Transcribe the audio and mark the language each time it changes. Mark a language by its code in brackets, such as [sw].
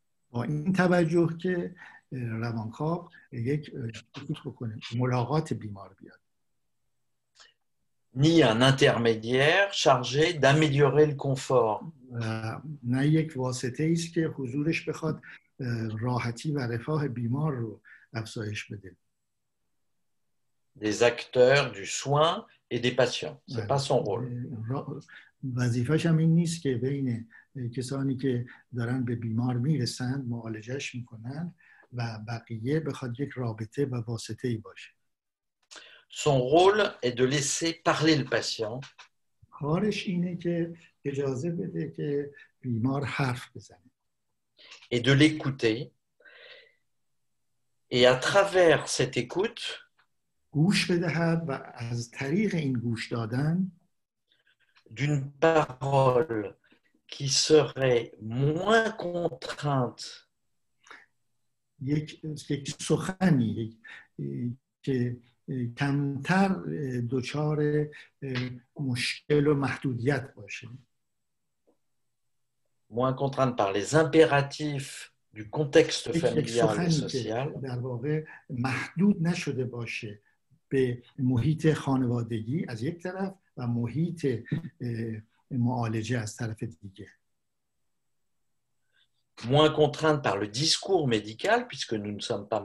[fa] با این توجه که روانکاو یک ملاقات بیمار بیاد [fr] ni un intermédiaire chargé d'améliorer le confort [fa] نه یک واسطه ایست که حضورش بخواد راحتی و رفاه بیمار رو افزایش بده [fr] des acteurs du soin et des patients c'est pas son rôle [fa] وظیفه‌ش هم این نیست که بین کسانی که دارن به بیمار میرسند معالجش میکنن و بقیه بخواد یک رابطه و واسطه ای باشه. [fr] Son rôle est de laisser parler le patient. [fa] کارش اینه که اجازه بده که بیمار حرف بزنه. [fr] Et de l'écouter. Et à travers cette écoute, [fa] گوش بدهد و از طریق این گوش دادن [fr] d'une parole qui serait moins contrainte [fa] یک سخنی که کمتر دچار مشکل و محدودیت باشه [fr] moins contrainte par les impératifs du contexte familial et social [fa] در واقع محدود نشده باشه به محیط خانوادگی از یک طرف و محیط معالجه از طرف دیگه [fr] moins contrainte par le discours médical puisque nous ne sommes pas